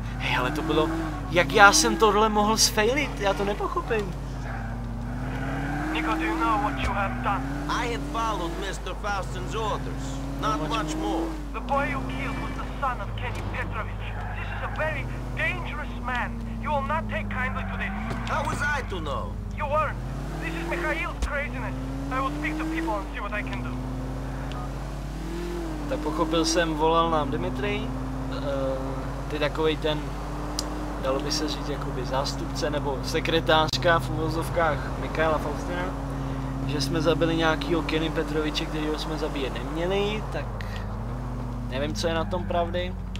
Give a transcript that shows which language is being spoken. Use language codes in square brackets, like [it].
[cs] Hej, ale to bylo, jak já jsem tohle mohl sfejlit, já to nepochopím. [en] Nico, do you know what you have done? I have followed Mr. Faustin's orders. Not much more. The boy you killed was the son of Kenny Petrovich. This is a very dangerous man. You will not take kindly to this. How was I to know? You weren't. This is Mikhail's craziness. I will speak to people and see what I can do. [cs] Tak pochopil jsem, volal nám Dmitry. Ty takovej ten, dalo by se říct, jakoby zástupce nebo sekretářka v uvozovkách Mikhaila Faustina, že jsme zabili nějakýho Kenny Petroviče, kterýho jsme zabíjet neměli, tak nevím, co je na tom pravdy.